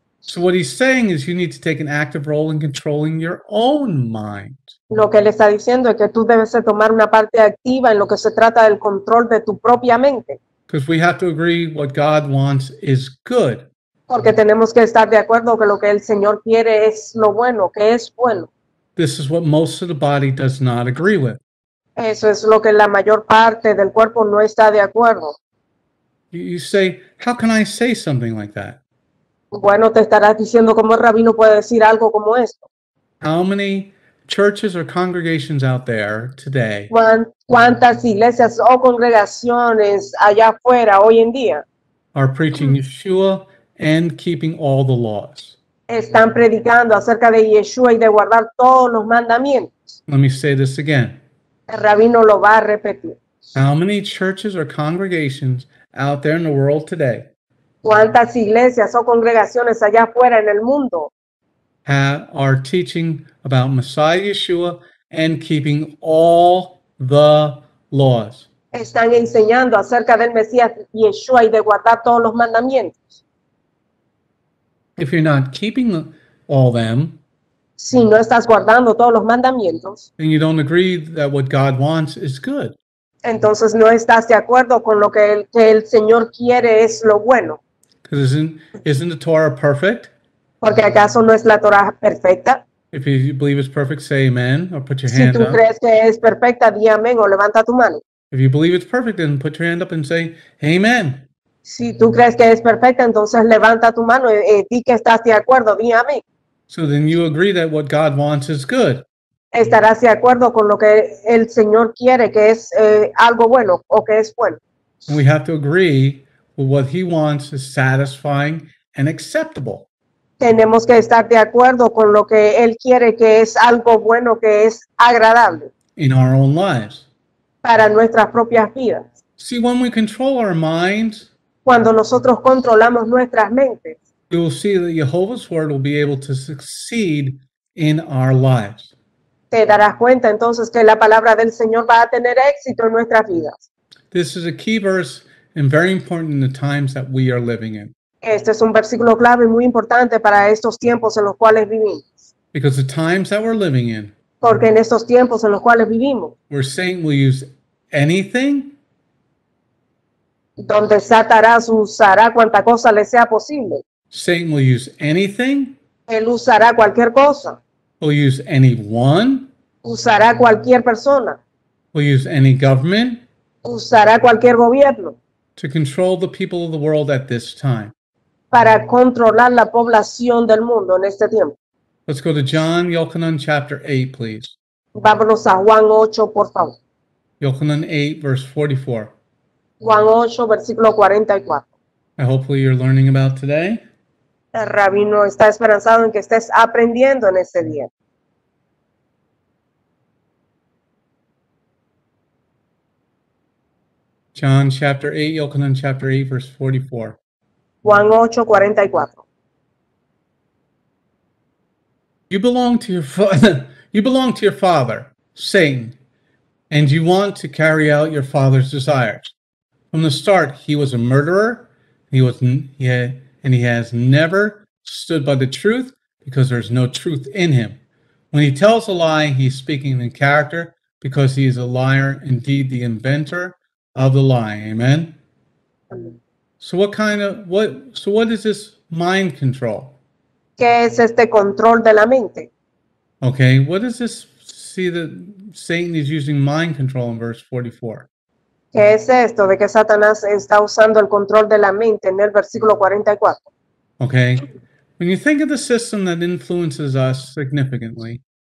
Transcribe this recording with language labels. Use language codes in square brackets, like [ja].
[en] So what he's saying is you need to take an active role in controlling your own mind. [es] Lo que él está diciendo es que tú debes tomar una parte activa en lo que se trata del control de tu propia mente. [en] Because we have to agree what God wants is good. [es] Porque tenemos que estar de acuerdo que lo que el Señor quiere es lo bueno, que es bueno. [en] This is what most of the body does not agree with. [es] Eso es lo que la mayor parte del cuerpo no está de acuerdo. [en] You say, how can I say something like that? [es] Bueno, te estarás diciendo cómo el rabino puede decir algo como esto. [en] How many churches or congregations out there today? [es] ¿Cuántas iglesias o congregaciones allá afuera hoy en día? [en] Are preaching Yeshua and keeping all the laws. [es] Están predicando acerca de Yeshua y de guardar todos los mandamientos. [en] Let me say this again. [es] El rabino lo va a repetir. [en] How many churches or congregations out there in the world today? [es] ¿Cuántas iglesias o congregaciones allá afuera en el mundo [en] are teaching about Messiah Yeshua and keeping all the laws? [es] Están enseñando acerca del Mesías Yeshua y de guardar todos los mandamientos. [en] If you're not keeping all them, [es] si no estás guardando todos los mandamientos, [en] then you don't agree that what God wants is good. [es] Entonces no estás de acuerdo con lo que el Señor quiere es lo bueno. [en] Because isn't the Torah perfect? [es] Porque acaso no es la Torah perfecta? [en] If you believe it's perfect, say amen or put your hand up. [es] Si tú crees que es perfecta, di amén o levanta tu mano. [en] If you believe it's perfect, then put your hand up and say amen. [es] Si tú crees que es perfecta, entonces levanta tu mano y di que estás de acuerdo, di amén. [en] So then you agree that what God wants is good. [es] Estarás de acuerdo con lo que el Señor quiere, que es algo bueno o que es bueno. [en] We have to agree. But what he wants is satisfying and acceptable. [es] Tenemos que estar de acuerdo con lo que él quiere, que es algo bueno, que es agradable. [en] In our own lives. [es] Para nuestras propias vidas. [en] See, when we control our minds, [es] cuando nosotros controlamos nuestras mentes, [en] you will see that Jehovah's word will be able to succeed in our lives. [es] Te darás cuenta entonces que la palabra del Señor va a tener éxito en nuestras vidas. [en] This is a key verse. And very important in the times that we are living in. [es] Este es un versículo clave muy importante para estos tiempos en los cuales vivimos. [en] Because the times that we're living in. [es] Porque en estos tiempos en los cuales vivimos. [en] Where Satan will use anything. [es] Donde Satanás usará cuanta cosa le sea posible. [en] Satan will use anything. [es] Él usará cualquier cosa. [en] Will use anyone. [es] Usará cualquier persona. [en] Will use any government. [es] Usará cualquier gobierno. [en] To control the people of the world at this time. [es] Para controlar la población del mundo en este tiempo. [en] Let's go to John, Yochanan, chapter 8, please. [es] Vámonos a Juan 8, por favor. [en] Yochanan 8, verse 44. [es] Juan 8, versículo 44. [en] And hopefully you're learning about today. [es] El rabino está esperanzado en que estés aprendiendo en este día. [en] John chapter 8, Yochanan chapter 8, verse 44. [es] Juan 8, 44. [en] You belong to your father, Satan, and you want to carry out your father's desires. From the start, he was a murderer. He has never stood by the truth because there's no truth in him. When he tells a lie, he's speaking in character because he is a liar, indeed the inventor of the lie. Amen. So what is this mind control? [es] ¿Qué es este control de la mente? [en] Okay, what does this see that Satan is using mind control in verse 44? [es] ¿Qué es esto de que Satanás está usando el control de la mente en el versículo 44? [en] Okay, when you think of the system that influences us significantly.